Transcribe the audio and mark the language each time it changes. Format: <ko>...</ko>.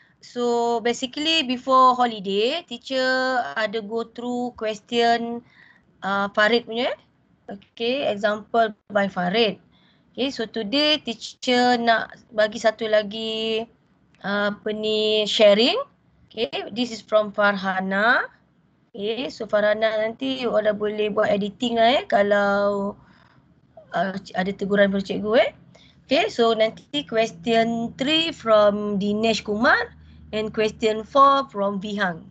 <en>So, basically before holiday, teacher</en> <ms>ada</ms> <en>go through question Farid</en> <ms>punya.</ms> <en>Okay, example by Farid. Okay, so today teacher</en> <ms>nak bagi satu lagi apa ni,</ms> <en>sharing. Okay, this is from Farhana. Okay, so</en> <ms>Farhana nanti</ms> <en>you all</en> <ms>dah boleh buat editing lah kalau ada teguran pada cikgu eh.</ms> <en>Okay, so</en> <ms>nanti</ms> <en>question 3 from Dinesh Kumar and question 4 from Vihang.</en>